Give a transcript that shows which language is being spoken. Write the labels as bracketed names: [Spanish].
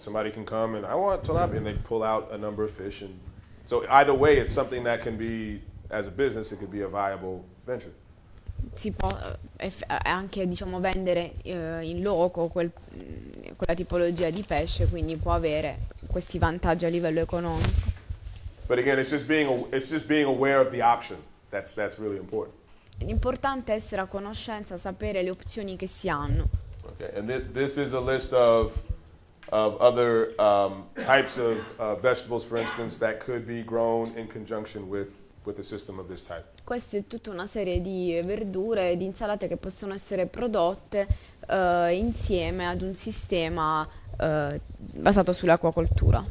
[English] Somebody can come and I want tilapia and they pull out a number of fish. And so either way, it's something that can be, as a business, it could be a viable venture. [Italian] Si può anche, diciamo, vendere in loco quella tipologia di pesce, quindi può avere questi vantaggi a livello economico. [English] But again, it's just being aware of the option. That's really important. [Italian] L'importante è essere a conoscenza, sapere le opzioni che si hanno. [English] Okay, and this is a list of other types of vegetables, for instance, that could be grown in conjunction with a system of this type. [Italian] Questa è tutta una serie di verdure e di insalate che possono essere prodotte insieme ad un sistema basato sull'acquacoltura.